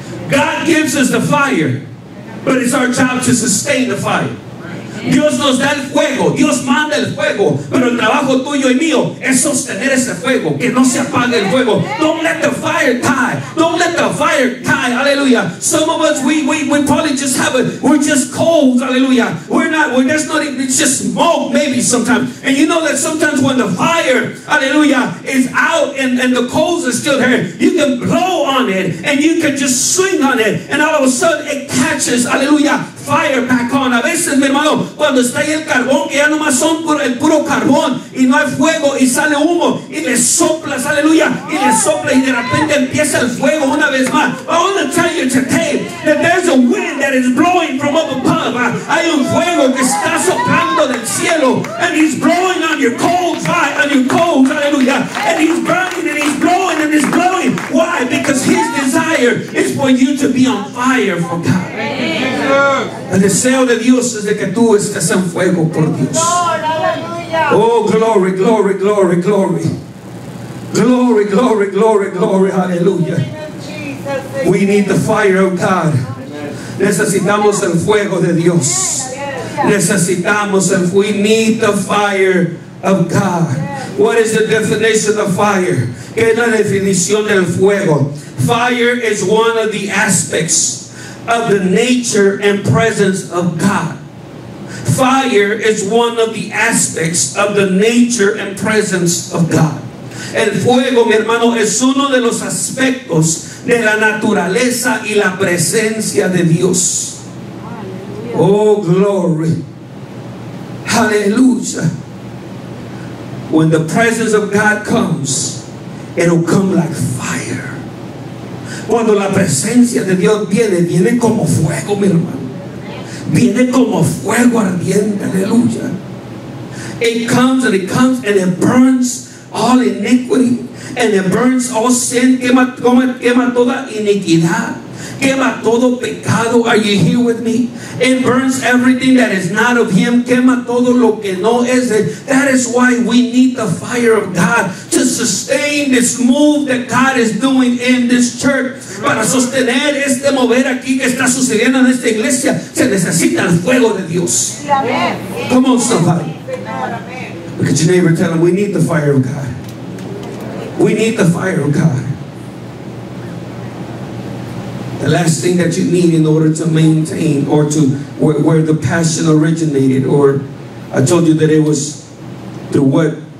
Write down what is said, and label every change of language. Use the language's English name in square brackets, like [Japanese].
[English] God gives us the fire, but it's our job to sustain the fire. [Spanish] Dios nos da el fuego, Dios manda el fuego, pero el trabajo tuyo y mío es sostener ese fuego, que no se apague el fuego. [English] Don't let the fire die. Don't let the fire die. Hallelujah. Some of us we probably just have it. We're just cold. Hallelujah. It's just smoke maybe sometimes. And you know that sometimes when the fire, hallelujah, is out and the coals are still there, you can blow on it and you can just swing on it and all of a sudden it catches. Hallelujah. Fire back on. [Spanish] A veces, mi hermano, cuando está ahí el carbón, que ya no más son el puro carbón y no hay fuego y sale humo y le soplas, aleluya, y le soplas y de repente empieza el fuego una vez más. [English] I want to tell you today that there's a wind that is blowing from up above. [Spanish] Hay un fuego que está soplando del cielo [English] and he's blowing on your cold fire, on your cold, aleluya, and he's burning and he's blowing and he's blowing. Why? Because his desire is for you to be on fire for God. [Spanish] El deseo de Dios es de que tú estés en fuego por Dios. [English] Oh, glory, glory, glory, glory. Glory, glory, glory, glory, hallelujah. We need the fire of God. [Spanish] Necesitamos el fuego de Dios. Necesitamos el fuego. [English] We need the fire of God. What is the definition of fire? [Spanish] ¿Qué es la definición del fuego? [English] Fire is one of the aspects of the nature and presence of God. Fire is one of the aspects of the nature and presence of God. [Spanish] El fuego, mi hermano, es uno de los aspectos de la naturaleza y la presencia de Dios. [English] Oh, glory. Hallelujah. When the presence of God comes, it'll come like fire. [Spanish] Cuando la presencia de Dios viene, viene como fuego, mi hermano. Viene como fuego ardiente, aleluya. [English] It comes and it comes and it burns all iniquity and it burns all sin. [Spanish] Quema toda iniquidad. Quema todo pecado. [English] Are you here with me? It burns everything that is not of Him. [Spanish] Quema todo lo que no es de. [English] That is why we need the fire of God to sustain this move that God is doing in this church. [Spanish] Para sostener este mover aquí que está sucediendo en esta iglesia, se necesita el fuego de Dios. [English] Come on, somebody. Look at your neighbor, tell him we need the fire of God. We need the fire of God. The last thing that you need in order to maintain or to where the passion originated, or I told you that it was through what?